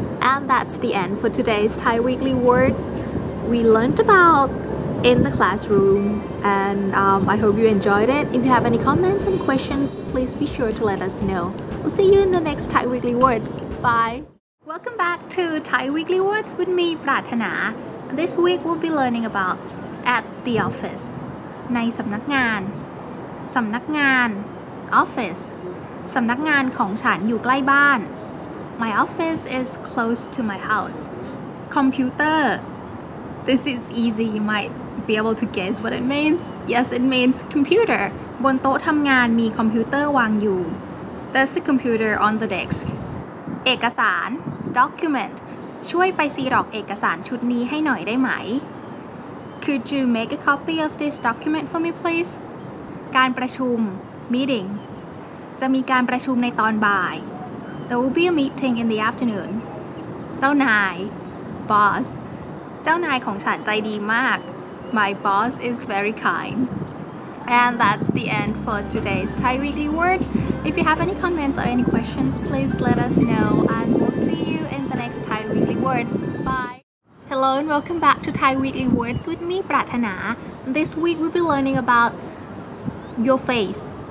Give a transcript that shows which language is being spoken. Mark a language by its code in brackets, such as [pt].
[en] And that's the end for today's Thai Weekly Words. We learned about in the classroom, and I hope you enjoyed it. If you have any comments and questions, please be sure to let us know. We'll see you in the next Thai Weekly Words. Bye! Welcome back to Thai Weekly Words with me, Prathana. This week we'll be learning about at the office. ในสำนักงาน สำนักงาน office. [th] สำนักงานของฉันอยู่ใกล้บ้าน [en] My office is close to my house. Computer. This is easy, you might be able to guess what it means. Yes, it means computer. [th] บนโต๊ะทำงานมีคอมพิวเตอร์วางอยู่ [en] There's a computer on the desk. เอกสารDocument. [th] ช่วยไปซีร็อกเอกสารชุดนี้ให้หน่อยได้ไหม [en] Could you make a copy of this document for me, please? การประชุม Meeting. [th] จะมีการประชุมในตอนบ่าย [en] There will be a meeting in the afternoon. เจ้านาย Boss. [th] เจ้านายของฉันใจดีมาก [en] My boss is very kind. And that's the end for today's Thai Weekly Words. If you have any comments or any questions, please let us know. And we'll see you in the next Thai Weekly Words. Bye! Hello and welcome back to Thai Weekly Words with me, Prathana. This week we'll be learning about your face.